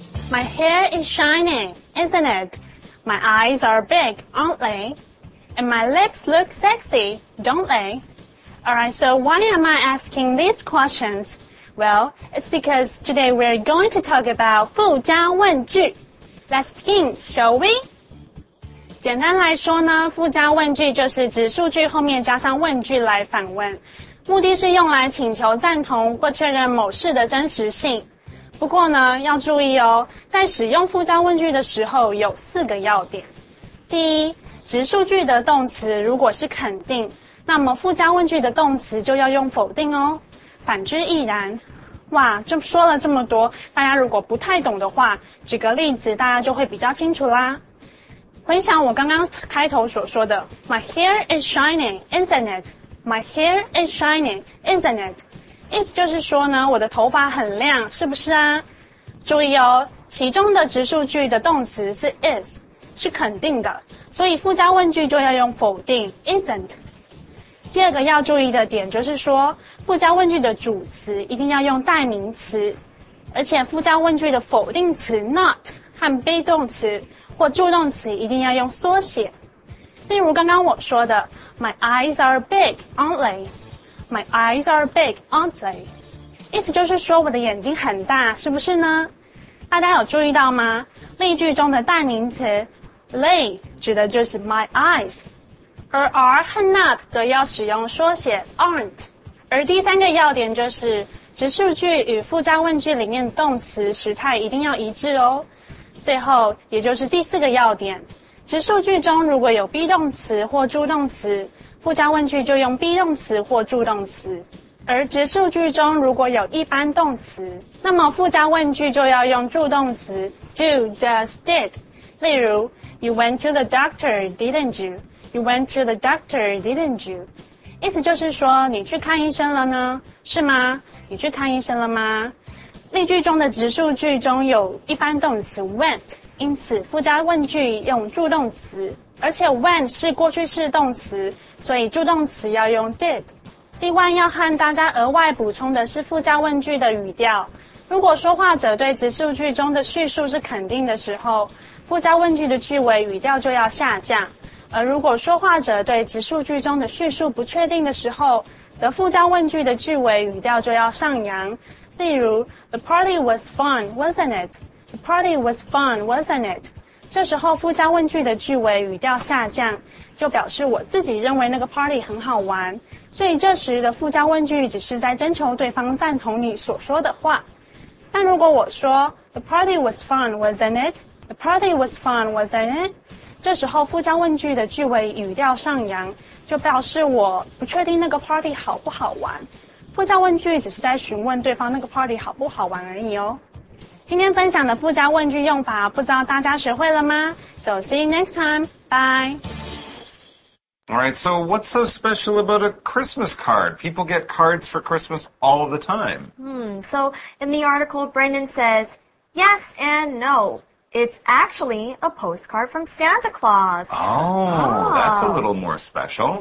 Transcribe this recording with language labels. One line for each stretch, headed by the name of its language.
English: My hair is shiny, isn't it? My eyes are big, aren't they? And my lips look sexy, don't they? Alright, so why am I asking these questions? Well, it's because today we're going to talk about 附加问句. Let's begin, shall we?
Chinese: 简单来说呢，附加问句就是指数据后面加上问句来反问，目的是用来请求赞同或确认某事的真实性。不过呢，要注意哦，在使用附加问句的时候有四个要点。第一，指数据的动词如果是肯定，那么附加问句的动词就要用否定哦，反之亦然。哇，就说了这么多，大家如果不太懂的话，举个例子大家就会比较清楚啦。
English: 回想我刚刚开头所说的 My hair is shiny, isn't it? My hair is shiny, isn't it?
Chinese: 意思就是说呢，我的头发很亮，是不是啊？注意哦，其中的指数句的动词是 is, 是肯定的，所以附加问句就要用否定 isn't。第二个要注意的点就是说，附加问句的主词一定要用代名词，而且附加问句的否定词 not 和被动词或助动词一定要用缩写。
English: 例如刚刚我说的 My eyes are big, aren't they? My eyes are big, aren't they?
Chinese: 意思就是说我的眼睛很大，是不是呢？大家有注意到吗？例句中的代名词 they 指的就是 my eyes， 而 are 和 not 则要使用缩写 aren't。而第三个要点就是指数句与附加问句里面动词时态一定要一致哦。最后也就是第四个要点，指数句中如果有 be 动词或助动词，附加问句就用 be 动词或助动词，而指数句中如果有一般动词，那么附加问句就要用助动词 do, does, did。
English: 例如 You went to the doctor, didn't you? You went to the doctor, didn't you?
Chinese: 意思就是说你去看医生了呢，是吗？你去看医生了吗？例句中的指数句中有一般动词 went， 因此附加问句用助动词，而且 went 是过去式动词，所以助动词要用 did。另外要和大家额外补充的是附加问句的语调，如果说话者对指数句中的叙述是肯定的时候，附加问句的句尾语调就要下降，而如果说话者对指数句中的叙述不确定的时候，则附加问句的句尾语调就要上扬。
English: 例如 The party was fun, wasn't it? The party was fun, wasn't it?
Chinese: 这时候附加问句的句尾语调下降，就表示我自己认为那个 party 很好玩，所以这时的附加问句只是在征求对方赞同你所说的话。
English: 但如果我说 The party was fun, wasn't it? The party was fun, wasn't it?
Chinese: 这时候附加问句的句尾语调上扬，就表示我不确定那个 party 好不好玩，附加问句只是在询问对方那个 party 好不好玩而已哦。今天分享的附加问句用法，不知道大家学会了吗？
English: So see you next time. Bye. Alright, so what's so special about a Christmas card? People get cards for Christmas all the time. So in the article, Brendan says, yes and no. It's actually a postcard from Santa Claus. That's a little more special.